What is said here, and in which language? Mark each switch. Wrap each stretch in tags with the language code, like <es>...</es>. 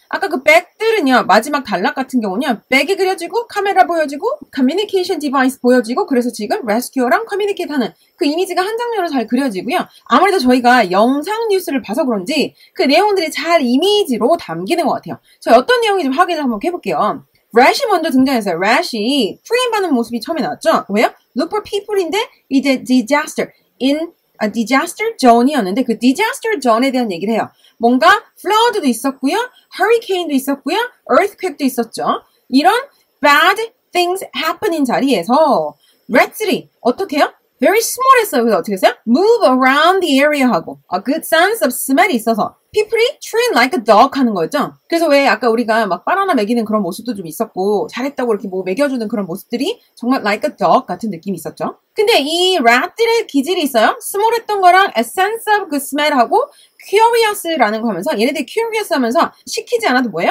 <ko>아까 그 백들은요. 마지막 단락 같은 경우는요. 백이 그려지고 카메라 보여지고 커뮤니케이션 디바이스 보여지고 그래서 지금 rescue랑 커뮤니케이트 하는 그 이미지가 한 장면으로 잘 그려지고요. 아무래도 저희가 영상 뉴스를 봐서 그런지 그 내용들이 잘 이미지로 담기는 것 같아요. 저희 어떤 내용이 좀 확인을 한번 해볼게요. Rash이 먼저 등장했어요. Rash이 프레임 받는 모습이 처음에 나왔죠? 왜요?</ko> <en>Look for people인데 이제 disaster. In a disaster zone이었는데 그 disaster zone에 대한 얘기를 해요.</en> <ko>뭔가 flood도 있었고요. Hurricane도 있었고요. Earthquake도 있었죠. 이런</ko> <en>bad things happening</en> <ko>자리에서 rats들이 어떻게 해요?</ko> <en>Very small 했어요.</en> <ko>그래서 어떻게 했어요?</ko> <en>Move around the area 하고 a good sense of smell이 있어서 People train like a dog 하는 거였죠.</en> <ko>그래서 왜 아까 우리가 막 바나나 먹이는 그런 모습도 좀 있었고 잘했다고 이렇게 뭐 먹여주는 그런 모습들이 정말</ko> <en>like a dog</en> <ko>같은 느낌이 있었죠. 근데 이 rat들의 기질이 있어요. Small 했던 거랑</ko> <en>a sense of good smell</en> <ko>하고 curious라는 거 하면서 얘네들 curious 하면서 시키지 않아도 뭐예요?</ko>